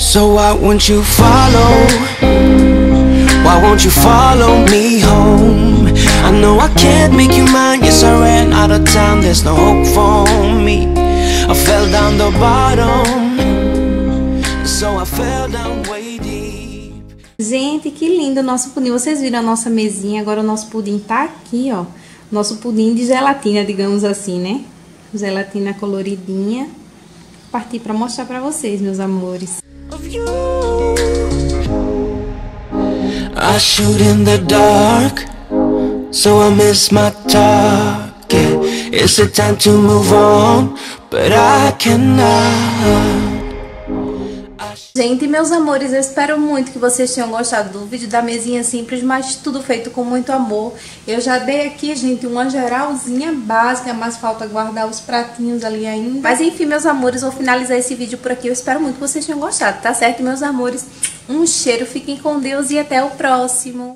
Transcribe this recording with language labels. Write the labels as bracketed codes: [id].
[en] So why won't you follow? Why won't you follow me home? I know I can't make you mine. Yes, I ran out of time. There's no hope for me. I fell down the bottom, so I fell down way deep. [pt] Gente, que lindo o nosso pudim. Vocês viram a nossa mesinha? Agora o nosso pudim tá aqui, ó. Nosso pudim de gelatina, digamos assim, né? Gelatina coloridinha. Vou partir pra mostrar pra vocês, meus amores. [en] I shoot in the dark, so I miss my target. It's the time to move on, but I cannot. [pt] Gente, meus amores, eu espero muito que vocês tenham gostado do vídeo da mesinha simples, mas tudo feito com muito amor. Eu já dei aqui, gente, uma geralzinha básica, mas falta guardar os pratinhos ali ainda. Mas enfim, meus amores, vou finalizar esse vídeo por aqui. Eu espero muito que vocês tenham gostado, tá certo, meus amores? Um cheiro, fiquem com Deus e até o próximo.